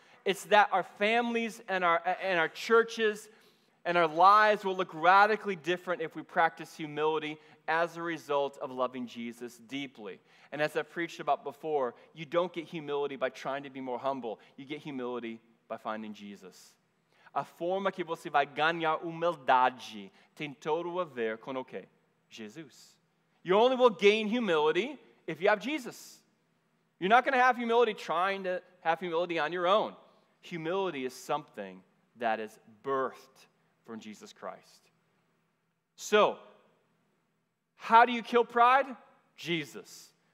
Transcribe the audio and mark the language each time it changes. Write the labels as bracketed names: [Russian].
[English] It's that our families and our churches and our lives will look radically different if we practice humility as a result of loving Jesus deeply. And as I've preached about before, you don't get humility by trying to be more humble. You get humility by finding Jesus. [Portuguese] A forma que você vai ganhar humildade tem todo a ver com o quê? Jesus. [English] You only will gain humility if you have Jesus. You're not going to have humility trying to have humility on your own. Humility is something that is birthed from Jesus Christ. So, how do you kill pride? Jesus.